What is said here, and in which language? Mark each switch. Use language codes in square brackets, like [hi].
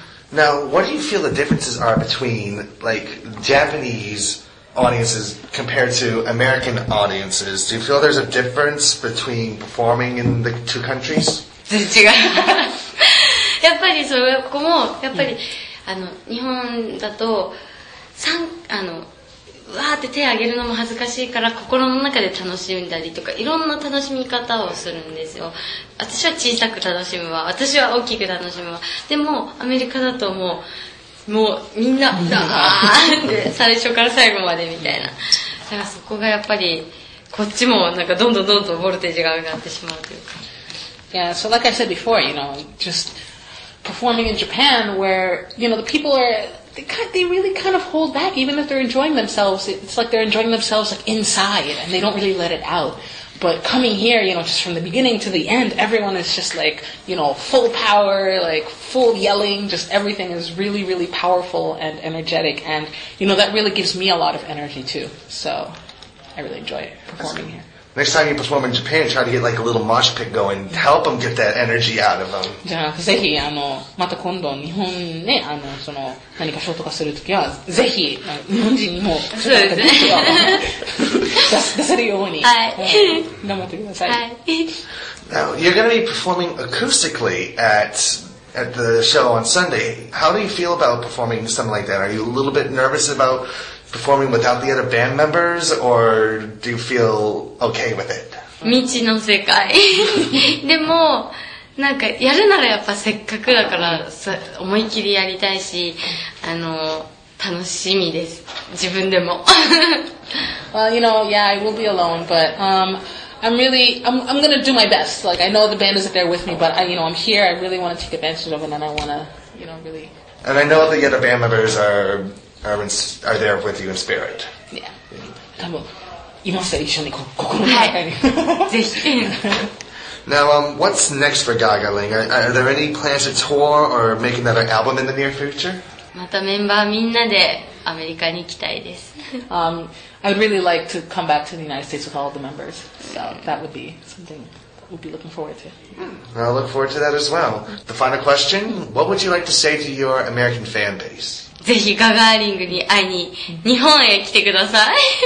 [en] Now, what do you feel the differences are between like Japanese audiences compared to American audiences? Do you feel there's a difference between performing in the two countries? [ja] 全然違う。やっぱりそれここもやっぱり、あの、日本だと。あのわーって手を挙げるのも恥ずかしいから心の中で楽しんだりとかいろんな楽しみ方をするんですよ。私は小さく楽しむわ、私は大きく楽しむわ。でもアメリカだともう、みんなダーンで最初から最後までみたいな。だからそこがやっぱりこっちもなんかどんどんどんどんボルテージが上がってしまうというか。 [en] Yeah, so like I said before, you know, just performing in Japan where, you know, the people areThey really kind of hold back, even if they're enjoying themselves. It's like they're enjoying themselves like inside, and they don't really let it out. But coming here, you know, just from the beginning to the end, everyone is just like, you know, full power, like full yelling. Just everything is really, really powerful and energetic. And, you know, that really gives me a lot of energy, too. So I really enjoy performing here. Next time you perform in Japan, try to get like a little mosh pit going. Help them get that energy out of them. [ja] じゃあぜひあのまた今度日本ねあのその何かショーとかするときはぜひ日本人にも出せるように頑張ってください。 [en] Now you're going to be performing acoustically at the show on Sunday. How do you feel about performing something like that? Are you a little bit nervous about? Performing without the other band members, or do you feel okay with it? [ja] 未知の世界。でも、なんか、やるならやっぱせっかくだから、思い切りやりたいし、あの、楽しみです。自分でも。 [en] Well, you know, yeah, I will be alone, but, I'm gonna do my best. Like, I know the band isn't there with me, but, you know, I'm here, I really wanna take advantage of it, and I wanna, you know, really. And I know the other band members are there with you in spirit. Yeah. [ja] 多分いますよ一緒に心の中に、はい、ぜひ。 [en] Now, what's next for Gaga Ling? Are there any plans to tour or make another album in the near future? [ja] またメンバーみんなでアメリカに行きたいです。 [en] I would really like to come back to the United States with all the members. So that would be something we'll be looking forward to. I look forward to that as well. The final question, what would you like to say to your American fan base? [ja] ぜひガガーリングに会いに日本へ来てください。